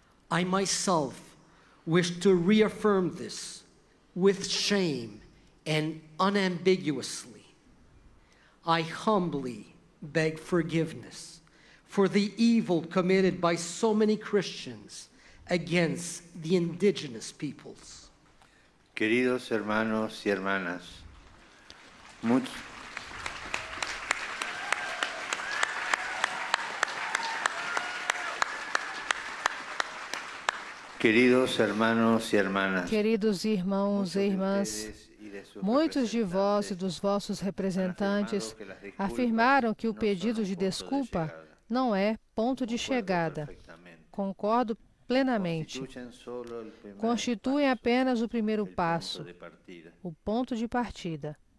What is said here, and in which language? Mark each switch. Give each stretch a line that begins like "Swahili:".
English: I myself wish to reaffirm this with shame and unambiguously. I humbly beg forgiveness for the evil committed by so many Christians against the indigenous peoples.
Spanish: Queridos hermanos y hermanas, queridos hermanos y hermanas,
Portuguese: queridos irmãos e irmãs, muitos de vós e dos vossos representantes afirmaram que o pedido de desculpa não é ponto de chegada. Concordo plenamente. Constituem apenas o primeiro passo, o ponto de partida.